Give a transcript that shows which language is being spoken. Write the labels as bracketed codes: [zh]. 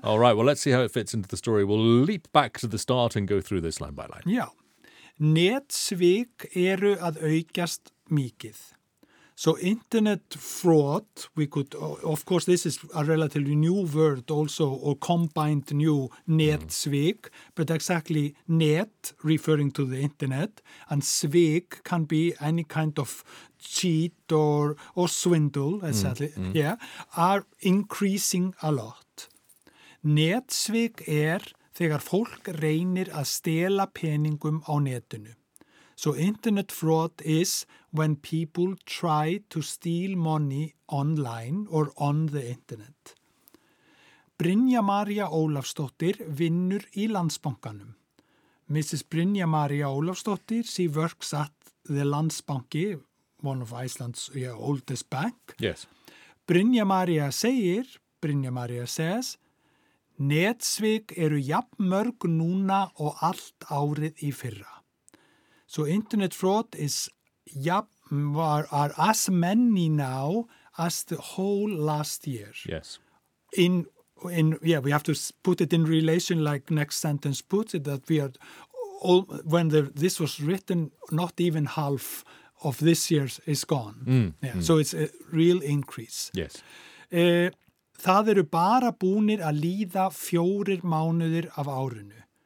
[en] All right, well, let's see how it fits into the story. We'll leap back to the start and go through this line by line. Yeah. [is] Netsvik eru að aukast mikið. [en] So internet fraud, we could, of course, this is a relatively new word also, or combined new netsvik, but exactly net, referring to the internet, and svik can be any kind of cheat or swindle, exactly, are increasing a lot. [is] Netsvik þegar fólk reynir að stela peningum á netinu. [en] So internet fraud is when people try to steal money online or on the internet. [is] Brynja María Ólafsdóttir vinnur í Landsbankanum. Mrs. [en] Brynja María Ólafsdóttir, she works at the Landsbanki, one of Iceland's oldest bank. Yes. Brynja María says, [is] Netsvik eru jafn mörg núna og allt árið í fyrra. [en] So internet fraud is are as many now as the whole last year. Yes. Yeah, we have to put it in relation like next sentence puts it that we are all, when this was written, not even half of this year is gone. Mm. Yeah. Mm. So it's a real increase. Yes. [is] Það eru bara búnir að líða fjórir mánuðir af árinu.